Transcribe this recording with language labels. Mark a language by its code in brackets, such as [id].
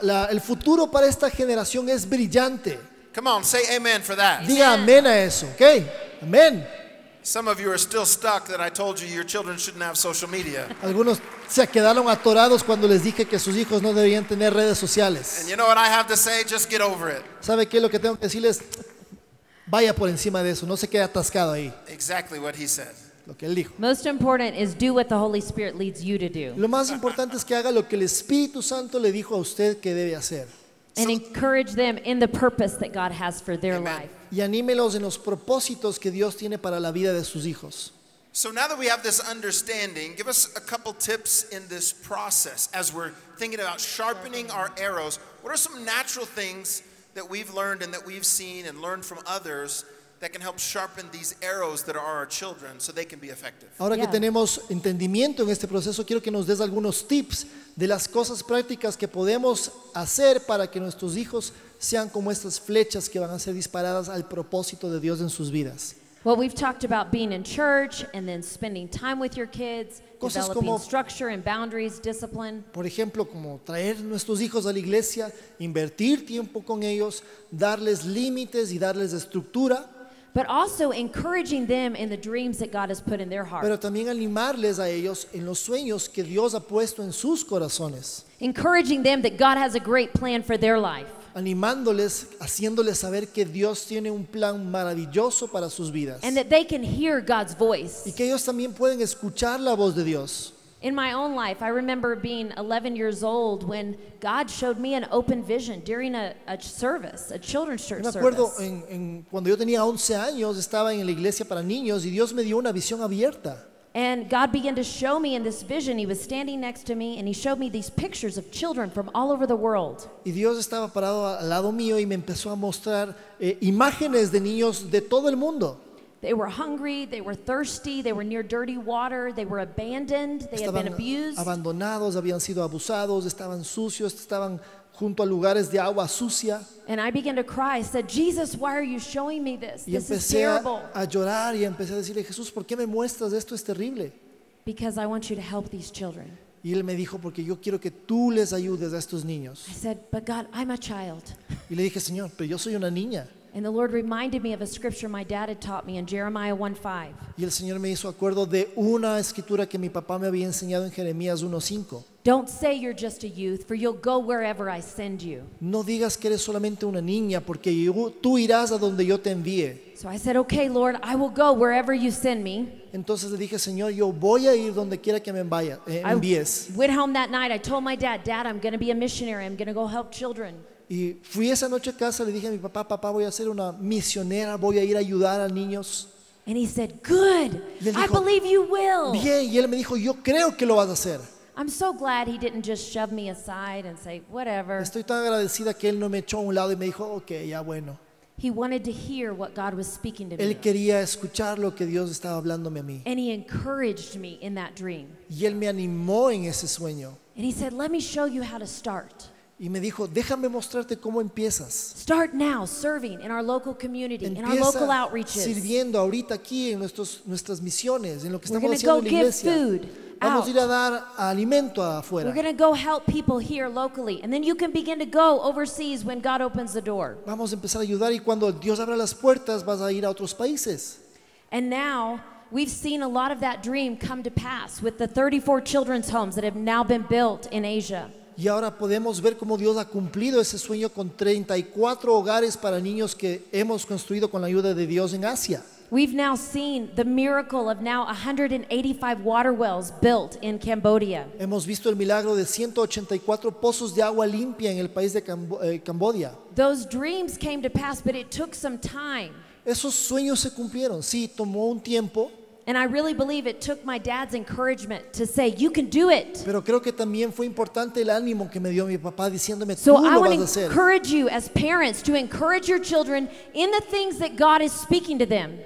[es] El futuro para esta generación es brillante. [en] Come on, say amen for that. [es] Diga amén a eso, okay? Amen. [en] Some of you are still stuck that I told you your children shouldn't have social media. [es] Algunos se quedaron atorados cuando les dije que sus hijos no debían tener redes sociales. [en] And you know what I have to say? Just get over it. [es] ¿Sabe qué es lo que tengo que decirles? Vaya por encima de eso, no se quede atascado ahí. [en] Exactly what he said. [es] Lo que él dijo. [en] Most important is do what the Holy Spirit leads you to do. [es] Lo más importante es que haga lo que el Espíritu Santo le dijo a usted que debe hacer. [en] And encourage them in the purpose that God has for their Amen. Life. [es] Y anímelos en los propósitos que Dios tiene para la vida de sus hijos. [en] So now that we have this understanding, give us a couple tips in this process as we're thinking about sharpening our arrows. What are some natural things that we've learned and that we've seen and learned from others that can help sharpen these arrows that are our children so they can be effective? [es] Ahora que tenemos entendimiento en este proceso, quiero que nos des algunos tips de las cosas prácticas que podemos hacer para que nuestros hijos sean como estas flechas que van a ser disparadas al propósito de Dios en sus vidas. [en] Well, we've talked about being in church and then spending time with your kids, [es] cosas [en] developing structure and boundaries, discipline. [es] Por ejemplo, como traer nuestros hijos a la iglesia, invertir tiempo con ellos, darles límites y darles estructura. [en] But also encouraging them in the dreams that God has put in their heart. [es] Pero también animarles a ellos en los sueños que Dios ha puesto en sus corazones. [en] Encouraging them that God has a great plan for their life. [es] Animándoles, haciéndoles saber que Dios tiene un plan maravilloso para sus vidas. [en] And that they can hear God's voice. [es] Y que ellos también pueden escuchar la voz de Dios. [en] In my own life, I remember being 11 years old when God showed me an open vision during a service, a children's church service. [es] Me acuerdo en cuando yo tenía 11 años, estaba en la iglesia para niños y Dios me dio una visión abierta. [en] And God began to show me in this vision. He was standing next to me and he showed me these pictures of children from all over the world. [es] Y Dios estaba parado al lado mío y me empezó a mostrar imágenes de niños de todo el mundo. [en] They were hungry, they were thirsty, they were near dirty water, they were abandoned, they [es] estaban [en] had been abused. [es] Abandonados, habían sido abusados, estaban sucios, estaban junto a lugares de agua sucia. [en] And I began to cry. I said, Jesus, why are you showing me this? [es] Y empecé a llorar y empecé a decirle, Jesús, ¿por qué me muestras esto? Es terrible. [en] Because I want you to help these children. [es] Y él me dijo, porque yo quiero que tú les ayudes a estos niños. [en] I said, but God, I'm a child. [es] Y le dije, Señor, pero yo soy una niña. [en] And the Lord reminded me of a scripture my dad had taught me in Jeremiah 1:5. [es] Y el Señor me hizo acuerdo de una escritura que mi papá me había enseñado en Jeremías 1:5. [en] Don't say you're just a youth, for you'll go wherever I send you. [es] No digas que eres solamente una niña, porque tú irás a donde yo te envíe. [en] So I said, okay, Lord, I will go wherever you send me. [es] Entonces le dije, Señor, yo voy a ir donde quiera que me vaya, envíes. [en] I went home that night. I told my dad, Dad, I'm going to be a missionary. I'm going to go help children. [es] Y fui esa noche a casa, le dije a mi papá, papá, voy a ser una misionera, voy a ir a ayudar a niños. [en] And he said, good, [es] dijo, [en] I believe you will. [es] Bien, y él me dijo, yo creo que lo vas a hacer. [en] I'm so glad he didn't just shove me aside and say, whatever. [es] Estoy tan agradecida que él no me echó a un lado y me dijo, okay, ya bueno. [en] He wanted to hear what God was speaking to me. [es] Él quería escuchar lo que Dios estaba hablándome a mí. [en] And he encouraged me in that dream. [es] Y él me animó en ese sueño. [en] And he said, let me show you how to start. [es] Y me dijo, déjame mostrarte cómo empiezas. [en] Start now serving in our local community, [es] empieza [en] in our local outreaches. [es] Sirviendo ahorita aquí en nuestras misiones, en lo que [en] we're [es] estamos haciendo en la iglesia. [en] Food [es] vamos [en] out. [es] A ir a dar alimento afuera. [en] We're going to go help people here locally, and then you can begin to go overseas when God opens the door. [es] Vamos a empezar a ayudar y cuando Dios abra las puertas vas a ir a otros países. [en] And now we've seen a lot of that dream come to pass with the 34 children's homes that have now been built in Asia. [es] Y ahora podemos ver cómo Dios ha cumplido ese sueño con 34 hogares para niños que hemos construido con la ayuda de Dios en Asia. [en] We've now seen the miracle of now 185 water wells built in Cambodia. [es] Hemos visto el milagro de 184 pozos de agua limpia en el país de Cambodia. [en] Those dreams came to pass, but it took some time. [es] Esos sueños se cumplieron. Sí, tomó un tiempo. [en] And I really believe it took my dad's encouragement to say, you can do it. [es] Pero creo que también fue importante el ánimo que me dio mi papá diciéndome, [en] so [es] tú [en] I [es] lo [en] want [es] vas [en] to [es] hacer. [en] Encourage you as parents to encourage your children in the things that God is speaking to them.